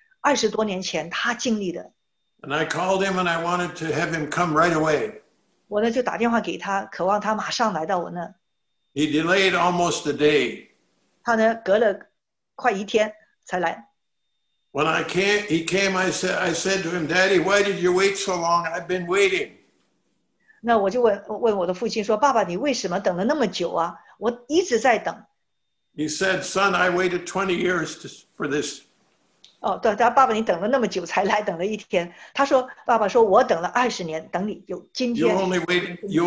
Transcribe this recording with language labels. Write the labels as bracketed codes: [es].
[zh] 我呢，我要打电话给我的父亲。我现在所经历的一定是20多年前他经历的。 [en] And I called him and I wanted to have him come right away. [zh] 我呢就打电话给他，渴望他马上来到我那。 [en] He delayed almost a day. [zh] 他呢隔了快一天才来。 [en] When I came, he came, I said to him, Daddy, why did you wait so long? I've been waiting. [zh] 那我就问我的父亲说，爸爸，你为什么等了那么久啊？我一直在等。 [en] He said, Son, I waited 20 years for this. [zh] 哦，对，他爸爸，你等了那么久才来，等了一天。他说，爸爸说，我等了20年，等你有今天。You